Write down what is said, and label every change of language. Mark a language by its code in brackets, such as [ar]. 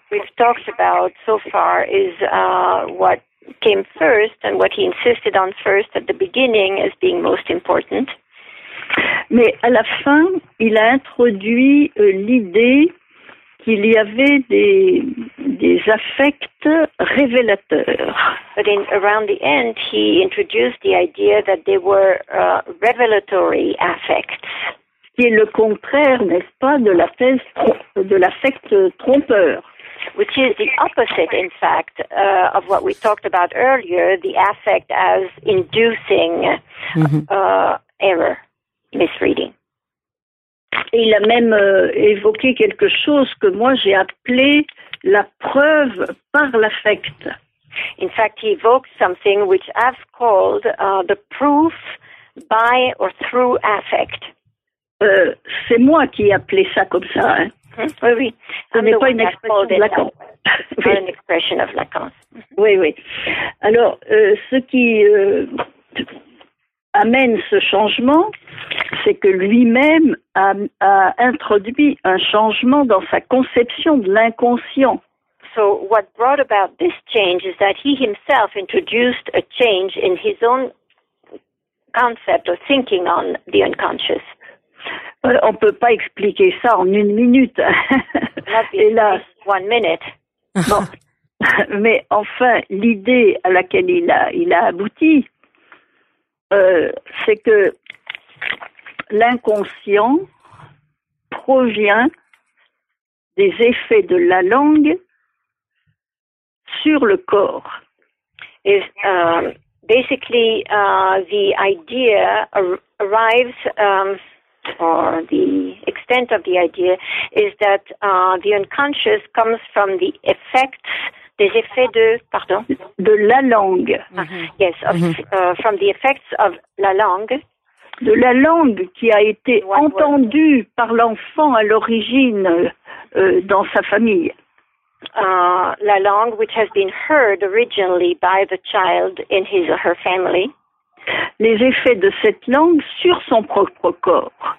[en] What we've talked about so far is what came first and what he insisted on first at the beginning as being most important. [fr] Mais à la fin, il a introduit l'idée qu'il y avait des affects révélateurs. [en] But in around the end, he introduced the idea that they were revelatory affects. [fr] Qui est le contraire, n'est-ce pas, de la thèse de l'affect trompeur. [en] Which is the opposite, in fact, of what we talked about earlier, the affect as inducing error, misreading. [fr] Et il a même évoqué quelque chose que moi j'ai appelé la preuve par l'affect. [en] In fact, he evoked something which I've called the proof by or through affect. [fr] C'est moi qui ai appelé ça comme ça. Hein. Mm-hmm. Oui, oui. Ce n'est pas une expression de Lacan. [en] Oui. An expression of Lacan. [fr] Oui, oui. Alors, ce qui amène ce changement, c'est que lui-même a introduit un changement dans sa conception de l'inconscient. [en] So what brought about this change is that he himself introduced a change in his own concept or thinking on the unconscious. [fr] On ne peut pas expliquer ça en une minute. Hélas. [en] One minute. [fr] Bon. Mais enfin, l'idée à laquelle il a abouti, c'est que l'inconscient provient des effets de la langue sur le corps. [en] Is basically the idea arrives, or the extent of the idea is that the unconscious comes from the effects. [fr] Des effets de la langue. Mm-hmm. [en] Yes, of, from the effects of la langue. [fr] De la langue qui a été entendue par l'enfant à l'origine dans sa famille. [en] La langue which has been heard originally by the child in his or her family. [fr] Les effets de cette langue sur son propre corps.